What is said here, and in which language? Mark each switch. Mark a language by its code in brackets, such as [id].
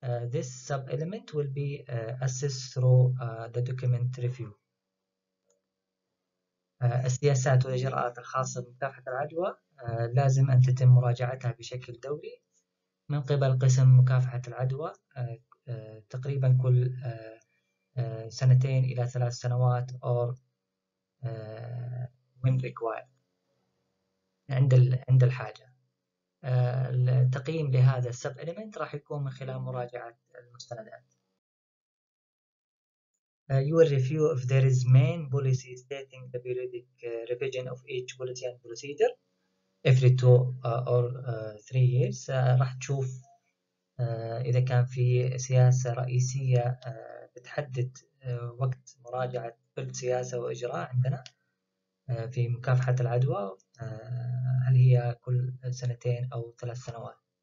[en] This sub element will be assessed through the document review. [ar] السياسات والإجراءات الخاصة بمكافحة العدوى لازم أن تتم مراجعتها بشكل دوري من قبل قسم مكافحة العدوى تقريبا كل سنتين إلى 3 سنوات [en] or when required [ar] عند الحاجة. التقييم لهذا السب إليمنت راح يكون من خلال مراجعة المستندات. [en] You will review if there is main policy stating the periodic revision of each policy and procedure every 2 or 3 years. [ar] راح تشوف إذا كان في سياسة رئيسية بتحدد وقت مراجعة كل سياسة وإجراء عندنا في مكافحة العدوى، هل هي كل سنتين أو 3 سنوات.